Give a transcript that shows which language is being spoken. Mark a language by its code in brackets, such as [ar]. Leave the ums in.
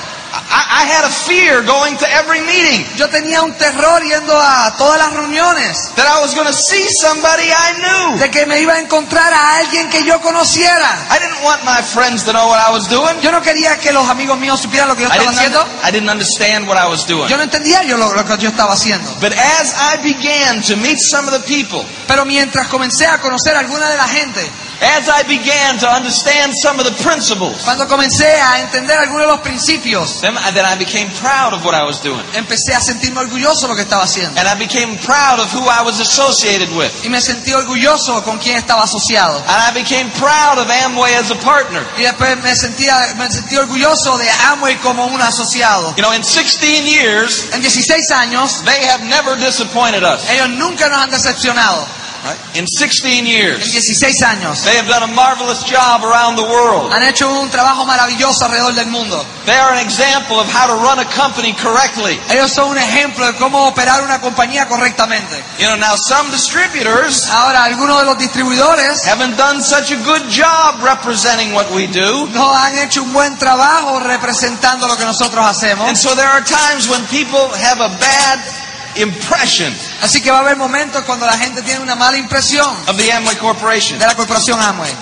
[en] I, I had a fear going to every meeting. [es] Yo tenía un terror yendo a todas las reuniones. [en] That I was going to see somebody I knew. [es] De que me iba a encontrar a alguien que yo conociera. [en] I didn't want my friends to know what I was doing. [es] Yo no quería que los amigos míos supieran lo que yo estaba I haciendo. [en] I didn't understand what I was doing. [es] Yo no entendía yo lo, lo que yo estaba haciendo. [en] But as I began to meet some of the people. [es] Pero mientras comencé a conocer alguna de la gente. [en] As I began to understand some of the principles, [es] cuando comencé a entender algunos de los principios, [en] them, then I, became proud of what I was doing. [es] Empecé a sentirme orgulloso de lo que estaba haciendo. [en] And I became proud of who I was associated with. [es] Y me sentí orgulloso con quien estaba asociado. [en] And I became proud of Amway as a partner. [es] Y después me sentía, me sentí orgulloso de Amway como un asociado. [en] You know, in 16 years, [es] en 16 años, [en] they have never disappointed us. [es] Ellos nunca nos han decepcionado. [en] In 16 years, [es] en 16 años, [en] they have done a marvelous job around the world. [es] Han hecho un trabajo maravilloso alrededor del mundo. [en] They are an example of how to run a company correctly. [es] Ellos son un ejemplo de cómo operar una compañía correctamente. [en] You know, now some distributors, [es] ahora algunos de los distribuidores, [en] haven't done such a good job representing what we do. [es] No han hecho un buen trabajo representando lo que nosotros hacemos. [en] And so there are times when people have a bad impression. [es] Así que va a haber momentos cuando la gente tiene una mala impresión de la corporación Amway.